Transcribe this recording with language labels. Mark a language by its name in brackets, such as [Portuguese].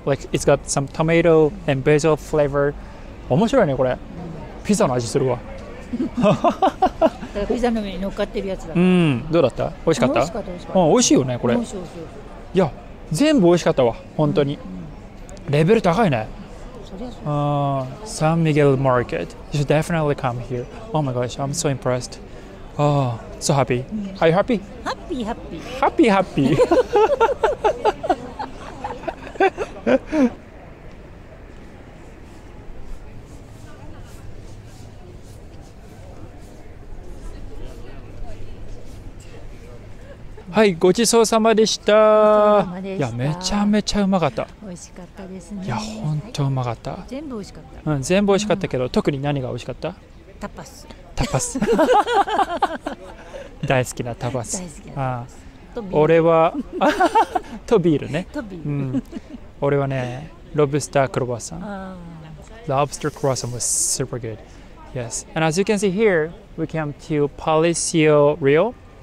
[English] Like it's got some tomato and basil flavor. [Japanese] 面白いねこれ。ピザの味するわ。ピザの上に乗っかってるやつだ。うん、どうだった？美味しかった？美味しいよねこれ。いや、全部美味しかったわ。本当に。レベル高いね。San Miguel Market. [English] You should definitely come here. Oh my gosh, I'm so impressed. Oh, so happy. Are you happy? Happy. [Japanese] はい、ごちそうさまでした。いや、めちゃめちゃうまかった。美味しかったですね。いや、本当うまかった、はい、全部美味しかった、うん、全部美味しかったけど、うん、特に何が美味しかった？タパス大好きなタパス。大好きなタパス。あ、俺はとビールね。とビール、うん、俺はね、ロブスタークロワッサン。 [English] ロブスタークロワッサン was super good. Yes. And as you can see here, we came to Palacio Real.